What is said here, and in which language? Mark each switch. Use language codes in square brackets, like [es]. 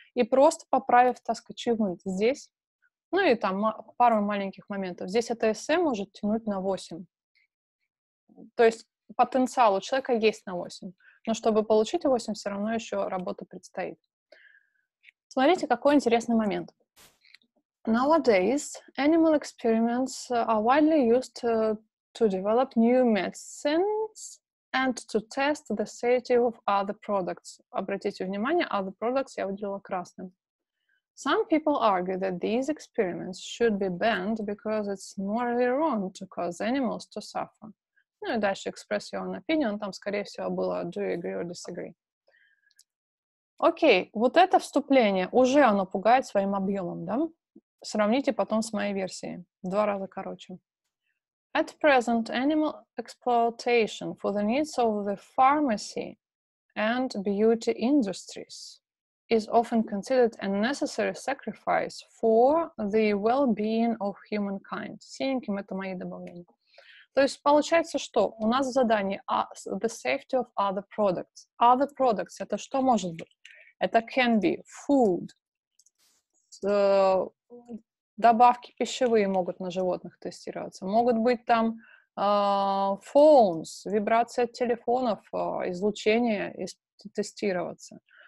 [ru] И просто поправив task achievement здесь, ну и там пару маленьких моментов, здесь это эссе может тянуть на 8. То есть потенциал у человека есть на 8. Но чтобы получить 8, все равно еще работа предстоит. Смотрите, какой интересный момент. [en] Nowadays, animal experiments are widely used to develop new medicines and to test the safety of other products. [ru] Обратите внимание, other products я выделила красным. [en] Some people argue that these experiments should be banned because it's morally wrong to cause animals to suffer. [ru] Ну и дальше [en] express your own opinion, [ru] там, скорее всего, было [en] do you agree or disagree. [ru] Окей, вот это вступление, уже оно пугает своим объемом, да? Сравните потом с моей версией, в два раза короче. [en] At present, animal exploitation for the needs of the pharmacy and beauty industries is often considered a necessary sacrifice for the well-being of humankind. [ru] Синеньким это мои добавления. То есть получается, что у нас в задании [en] the safety of other products. [ru] Other products это что может быть? Это [en] can be food. [ru] Добавки пищевые могут на животных тестироваться. Могут быть там phones, вибрации от телефонов, излучение тестироваться.